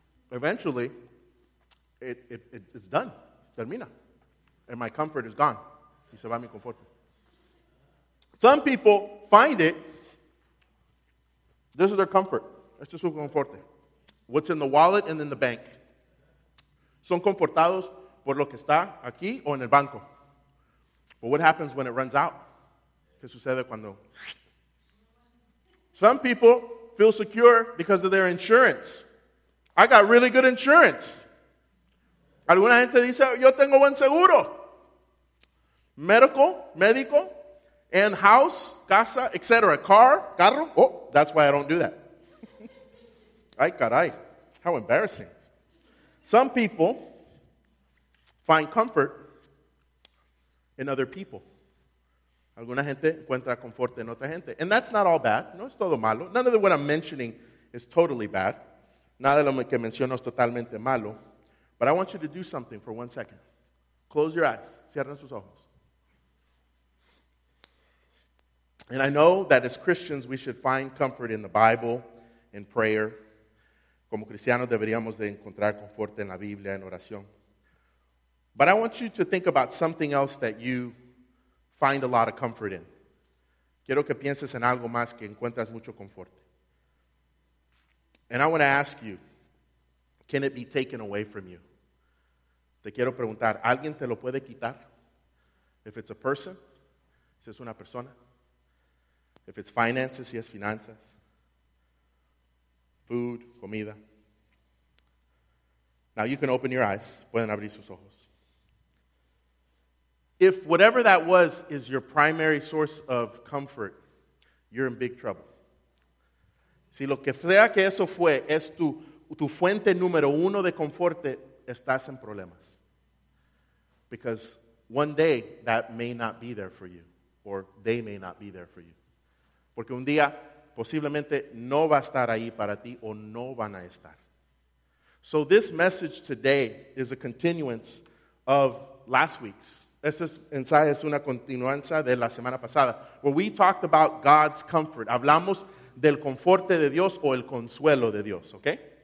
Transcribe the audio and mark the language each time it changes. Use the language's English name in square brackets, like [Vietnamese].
[English] Eventually, it's done. Termina. And my comfort is gone. [Spanish] Y se va mi confort. [English] Some people find it. This is their comfort. [Spanish] Esto es su confort. [English] What's in the wallet and in the bank. [Spanish] Son confortados por lo que está aquí o en el banco. [English] But what happens when it runs out? [Spanish] ¿Qué sucede cuando? [English] Some people feel secure because of their insurance. I got really good insurance. [Spanish] Alguna gente dice, yo tengo buen seguro. [English] Medical, and house, casa, etc. Carro. Oh, that's why I don't do that. Ay, caray. How embarrassing. Some people find comfort in other people. [Spanish] Alguna gente encuentra confort en otra gente. [English] And that's not all bad. [Spanish] No es todo malo. [English] None of what I'm mentioning is totally bad. [Spanish] Nada de lo que menciono es totalmente malo. [English] But I want you to do something for 1 second. Close your eyes. [Spanish] Cierren sus ojos. [English] And I know that as Christians, we should find comfort in the Bible, in prayer. [Spanish] Como cristianos deberíamos de encontrar confort en la Biblia, en oración. [English] But I want you to think about something else that you find a lot of comfort in. [Spanish] Quiero que pienses en algo más que encuentras mucho confort. [English] And I want to ask you, can it be taken away from you? [Spanish] Te quiero preguntar, ¿alguien te lo puede quitar? [English] If it's a person, [Spanish] si es una persona. [English] If it's finances, [Spanish] si es finanzas. [English] Food, comida. Now you can open your eyes. [Spanish] Pueden abrir sus ojos. [English] If whatever that was is your primary source of comfort, you're in big trouble. [Spanish] Si lo que sea que eso fue es tu fuente número uno de confort, estás en problemas. [English] Because one day that may not be there for you, or they may not be there for you. [Spanish] Porque un día posiblemente no va a estar ahí para ti o no van a estar. [English] So this message today is a continuance of last week's. [Spanish] Este ensayo es una continuanza de la semana pasada, [English] where we talked about God's comfort. [Spanish] Hablamos del conforte de Dios o el consuelo de Dios, okay?